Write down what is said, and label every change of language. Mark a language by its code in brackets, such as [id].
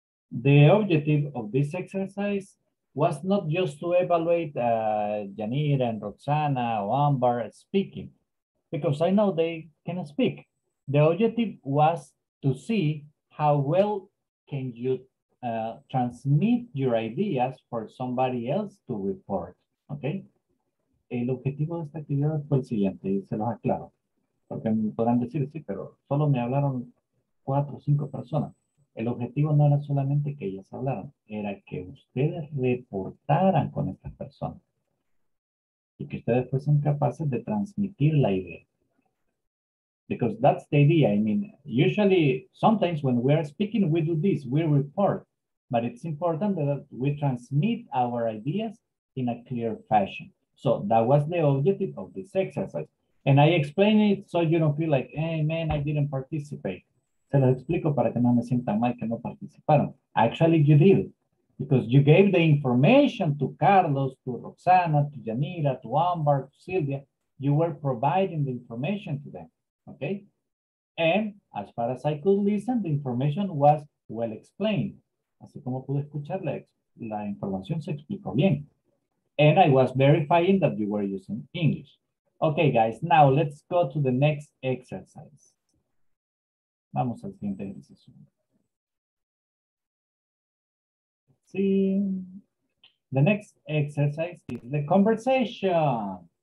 [en] The objective of this exercise was not just to evaluate Janira and Roxana or Amber speaking, because I know they can speak. The objective was to see how well can you transmit your ideas for somebody else to report, okay? [es] El objetivo de esta actividad fue el siguiente, y se los aclaro, porque me podrán decir, sí, pero solo me hablaron 4 o 5 personas. El objetivo no era solamente que ellas hablaran, era que ustedes reportaran con estas personas y que ustedes fuesen capaces de transmitir la idea. [en] Because that's the idea. I mean, usually, sometimes when we are speaking, we do this, we report, but it's important that we transmit our ideas in a clear fashion. So that was the objective of this exercise. And I explain it so you don't feel like, hey, man, I didn't participate. [es] Se los explico para que no me sientan mal que no participaron. [en] Actually, you did. Because you gave the information to Carlos, to Roxana, to Janira, to Amber, to Silvia. You were providing the information to them. Okay? And as far as I could listen, the information was well explained. [es] Así como pude escuchar, la información se explicó bien. [en] And I was verifying that you were using English. Okay, guys. Now, let's go to the next exercise. [es] Vamos al siguiente ejercicio. [en] Sí. The next exercise is the conversation.